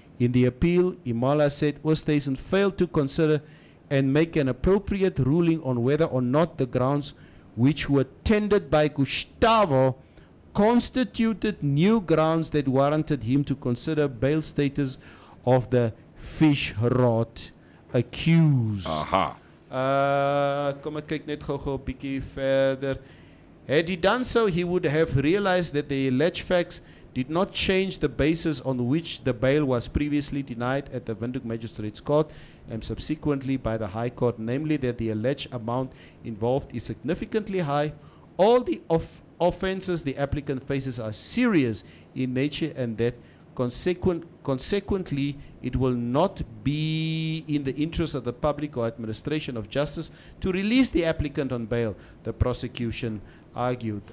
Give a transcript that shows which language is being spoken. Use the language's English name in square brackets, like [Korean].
[English] In the appeal, Imala said Oosthuizen failed to consider and make an appropriate ruling on whether or not the grounds which were tendered by Gustavo constituted new grounds that warranted him to consider bail status of the fish rot accused. Aha. [Afrikaans] Kom ek kyk net gou-gou 'n bietjie verder. [English] Had he done so, he would have realized that the alleged facts did not change the basis on which the bail was previously denied at the Windhoek Magistrates Court and subsequently by the High Court, namely that the alleged amount involved is significantly high. All the offenses the applicant faces are serious in nature, and that consequently it will not be in the interest of the public or administration of justice to release the applicant on bail, the prosecution argued.